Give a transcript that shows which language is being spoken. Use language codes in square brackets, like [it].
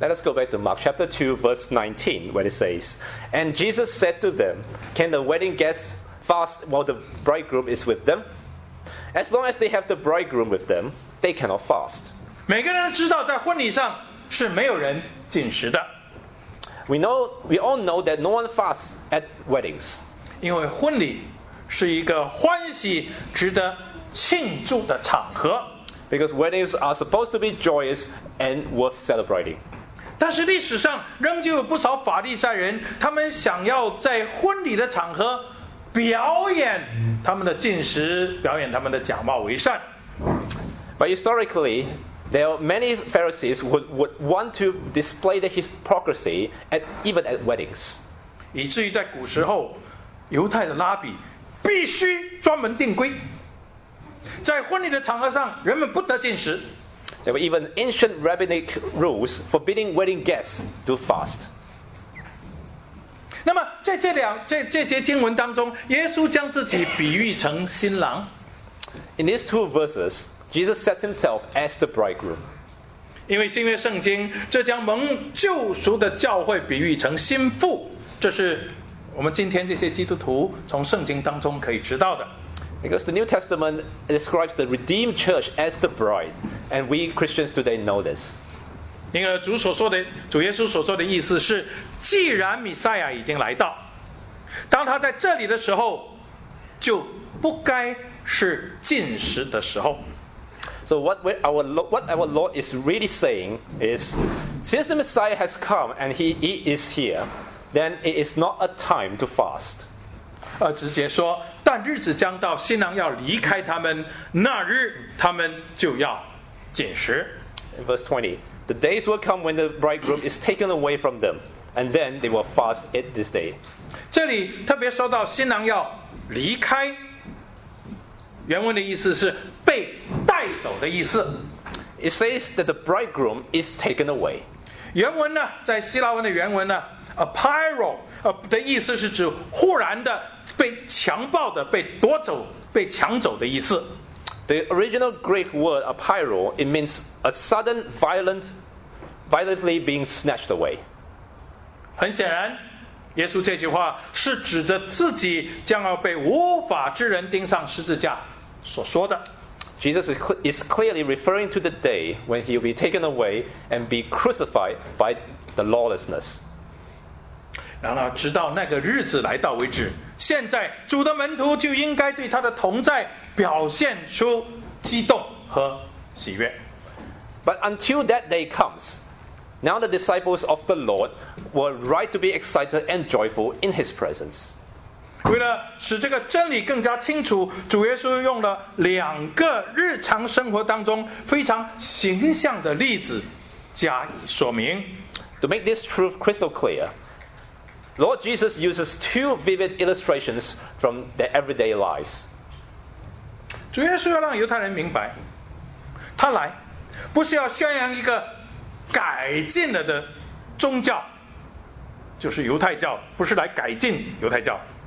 [en] Let us go back to Mark chapter 2 verse 19, where it says, "And Jesus said to them, 'Can the wedding guests fast while the bridegroom is with them? As long as they have the bridegroom with them, they cannot fast.'" [zh] 每个人知道，在婚礼上是没有人禁食的。 [en] We all know that no one fasts at weddings. [zh] 因为婚礼是一个欢喜值得庆祝的场合。 [en] Because weddings are supposed to be joyous and worth celebrating. [zh] 但是历史上仍旧有不少法利赛人，他们想要在婚礼的场合表演他们的禁食，表演他们的假冒为善。 [en] But historically,There are many Pharisees who would want to display the hypocrisy at, even at weddings. [zh] 以至于在古时候，犹太的拉比必须专门定规，在婚礼的场合上，人们不得禁食。 [en] There were even ancient rabbinic rules forbidding wedding guests to fast. [zh] 那么在这节经文当中，耶稣将自己比喻成新郎。 [en] In these two verses,Jesus sets himself as the bridegroom. [zh] 因为新约圣经这将蒙救赎的教会比喻成新妇，这是我们今天这些基督徒从圣经当中可以知道的。 [en] Because the New Testament describes the redeemed church as the bride, and we Christians today know this. [zh] 因为主耶稣所说的意思是，既然弥赛亚已经来到，当他在这里的时候，就不该是禁食的时候。 [en] So what our Lord is really saying is, since the Messiah has come and he is here, then it is not a time to fast. [zh] 而直接说，但日子将到，新郎要离开他们，那日他们就要禁食。 [en] Verse 20, the days will come when the bridegroom is taken away from them, and then they will fast at this day. [zh] 这里特别说到新郎要离开，原文的意思是被带走的意思。 [en] It says that the bridegroom is taken away. [zh] 原文呢，在希腊文的原文呢 ，apairo 的意思是指忽然的被强暴的、被夺走、被抢走的意思。 [en] The original Greek word apeiro, it means a sudden violently being snatched away. [zh] 很显然，耶稣这句话是指着自己将要被无法之人钉上十字架所说的。 [en] Jesus is clearly referring to the day when he will be taken away and be crucified by the lawlessness. [zh] 然而直到那个日子来到为止，现在主的门徒就应该对他的同在表现出激动和喜悦。 [en] But until that day comes, now the disciples of the Lord were right to be excited and joyful in his presence. [zh] 为了使这个真理更加清楚，主耶稣用了两个日常生活当中非常形象的例子加以说明。 [en] To make this truth crystal clear, Lord Jesus uses two vivid illustrations from their everyday lives. [zh] 主耶稣要让犹太人明白，他来不是要宣扬一个改进了的宗教，就是犹太教，不是来改进犹太教。